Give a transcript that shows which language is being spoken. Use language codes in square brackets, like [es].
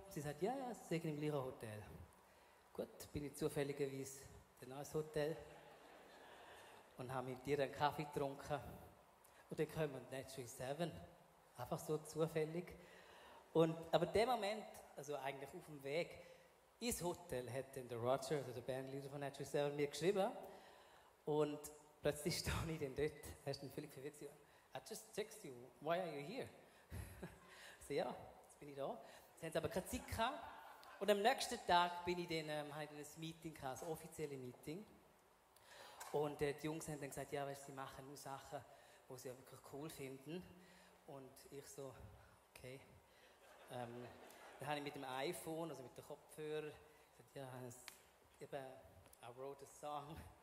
[de] Sie sagt, ja, sie sind im gleichen Hotel. Gut, bin ich zufälligerweise dann auch ins Hotel und habe mit ihr einen Kaffee getrunken. Und dann kommen wir Natural 7. Einfach so zufällig. Und, aber in dem Moment, also eigentlich auf dem Weg ins Hotel, hat dann der Roger, also der Bandleader von Natural 7, mir geschrieben. Und plötzlich stand ich dann dort. Er ist dann völlig verwirrt. [en] I just text you, why are you here? [de] So, ja, jetzt bin ich da. Sie haben aber keine Zeit gehabt. Und am nächsten Tag bin ich dann, hatte ich dann ein Meeting gehabt, ein offizielles Meeting. Und die Jungs haben dann gesagt, ja, weißt, sie machen nur Sachen, die sie wirklich cool finden. Und ich so, okay. Dann habe ich mit dem iPhone, also mit dem Kopfhörer, gesagt, ja, eben, [en] I wrote a song.